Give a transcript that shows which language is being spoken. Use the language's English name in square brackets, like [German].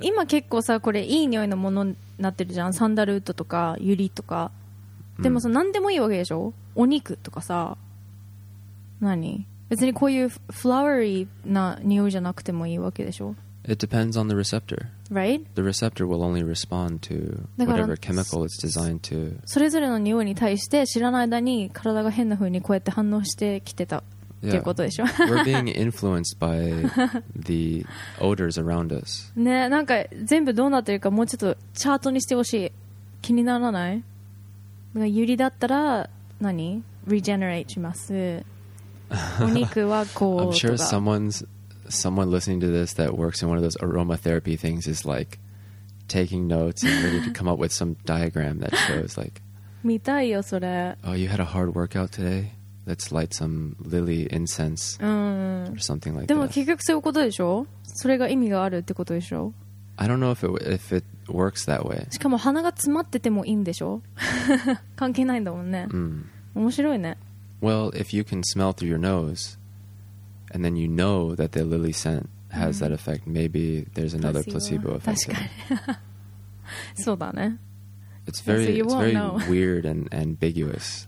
[Japanese] 今結構さ、これいい匂いのものになってるじゃん。サンダルウッドとかユリとか。でもさ、何でもいいわけでしょ。お肉とかさ、何？別にこういうフラワリーな匂いじゃなくてもいいわけでしょ。 [English] It depends on the receptor. Right? The receptor will only respond to whatever chemical it's designed to. [Japanese] それぞれの匂いに対して知らない間に体が変な風にこうやって反応してきてたっていうことでしょ。 [English] We're being influenced by the odors around us. [Japanese] ね、なんか全部どうなってるかもうちょっとチャートにしてほしい。気にならない？なんかユリだったら何？ [English] Regenerate [Japanese] します。お肉はこうとか。 [English] I'm sure someone listening to this that works in one of those aromatherapy things is like taking notes and ready to come up with some diagram that shows like [Japanese] 見たいよそれ。 [English] Oh, you had a hard workout today? Let's light some lily incense or something like [Japanese] でも [English] that. [Japanese] 結局そういうことでしょ？それが意味があるってことでしょ？ [English] I don't know if it works that way. [Japanese] しかも鼻が詰まっててもいいんでしょ？関係ないんだもんね。面白いね。 [English] Well, if you can smell through your nose and then you know that the lily scent has that effect, maybe there's another placebo effect. [Japanese] 確かに。そうだね。 [English] It's very, yeah, so it's very weird and ambiguous.